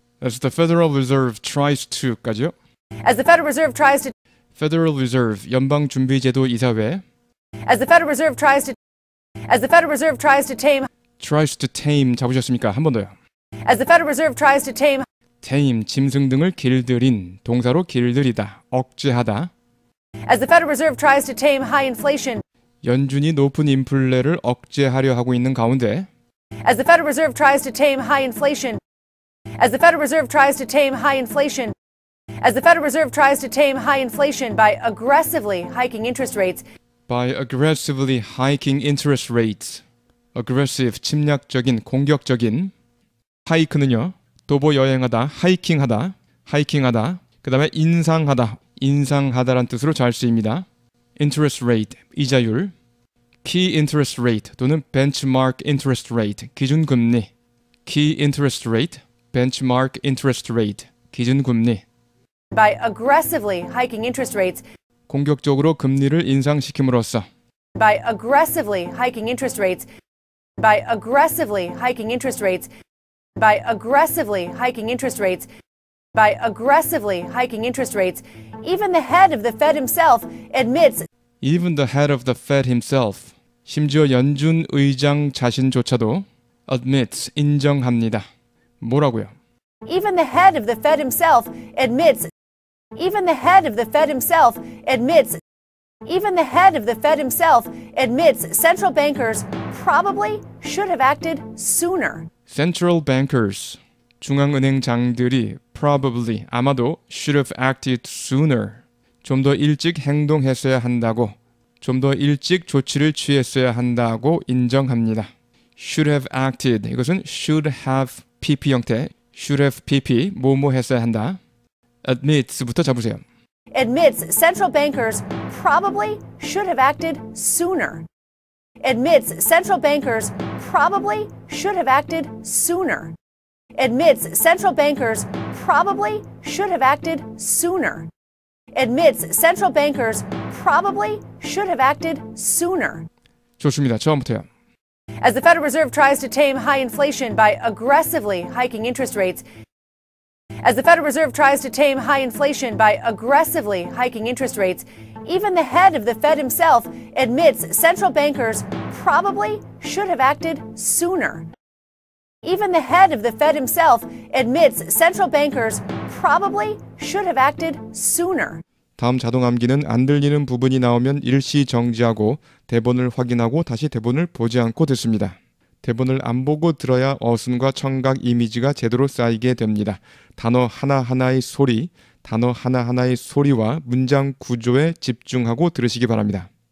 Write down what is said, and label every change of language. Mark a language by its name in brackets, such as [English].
[English] As the Federal Reserve tries to, [Korean] 까지요? [English] As the Federal Reserve tries to Federal Reserve, 연방준비제도 이사회 As the Federal Reserve tries to As the Federal Reserve tries to tame Tries to tame, [Korean] 잡으셨습니까? 한 번 더요. [English] As the Federal Reserve tries to tame [Korean] Tame, 짐승 등을 길들인, 동사로 길들이다, 억제하다 [English] As the Federal Reserve tries to tame high inflation [Korean] 연준이 높은 인플레를 억제하려 하고 있는 가운데 [English] As the Federal Reserve tries to tame high inflation As the Federal Reserve tries to tame high inflation As the Federal Reserve tries to tame high inflation by aggressively hiking interest rates By aggressively hiking interest rates [Korean] Aggressive, 침략적인, 공격적인 하이크는요, 도보 여행하다, 하이킹하다, 하이킹하다, 그 다음에 인상하다, 인상하다란 뜻으로 잘 쓰입니다. Interest rate, 이자율, key interest rate 또는 benchmark interest rate, 기준금리, key interest rate, benchmark interest rate, 기준금리. [English] By aggressively hiking interest rates, [Korean] 공격적으로 금리를 인상시킴으로써, [English] by aggressively hiking interest rates, by aggressively hiking interest rates, By aggressively hiking interest rates, by aggressively hiking interest rates, even the head of the Fed himself admits. Even the head of the Fed himself, [Korean] 심지어 연준 의장 자신조차도 [English] admits 인정합니다. [Korean] 뭐라고요? [English] Even the head of the Fed himself admits. Even the head of the Fed himself admits. Even the head of the Fed himself admits central bankers probably should have acted sooner. Central bankers, 중앙은행장들이 probably, 아마도 should have acted sooner. [Korean] 좀 더 일찍 행동했어야 한다고, 좀 더 일찍 조치를 취했어야 한다고 인정합니다. [English] Should have acted, 이것은 should have PP 형태, should have PP, [Korean] 뭐뭐 했어야 한다. Admits부터 잡으세요. [English] Admits central bankers probably should have acted sooner. Admits central bankers probably should have acted sooner. Admits central bankers probably should have acted sooner. Admits central bankers probably should have acted sooner. [Korean] 좋습니다. 처음부터요. [English] As the Federal Reserve tries to tame high inflation by aggressively hiking interest rates, as the Federal Reserve tries to tame high inflation by aggressively hiking interest rates, even the head of the Fed himself admits central bankers probably should have acted sooner. Even the head of the Fed himself admits central bankers probably should have acted sooner. [Korean] 다음 자동 암기는 안 들리는 부분이 나오면 일시 정지하고 대본을 확인하고 다시 대본을 보지 않고 듣습니다. 대본을 안 보고 들어야 어순과 청각 이미지가 제대로 쌓이게 됩니다. 단어 하나하나의 소리, 단어 하나하나의 소리와 문장 구조에 집중하고 들으시기 바랍니다.